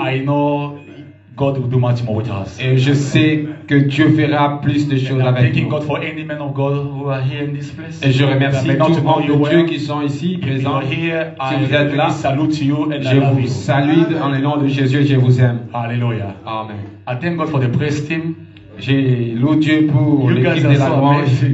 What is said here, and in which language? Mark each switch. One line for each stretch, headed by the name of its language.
English: I know God will do much more with us.
French: Et je sais que Dieu fera plus de choses
English: and
French: avec nous.
English: Thanking God for any man of God who are here in this place.
French: Et je remercie tous les hommes de Dieu qui sont ici présents.
English: If you are here,
French: si vous êtes là,
English: salute you and
French: je vous salue en le nom de Jésus et je vous aime. Alléluia. Amen.
English: I thank God for the praise team.
French: Je loue Dieu pour l'équipe de la louange.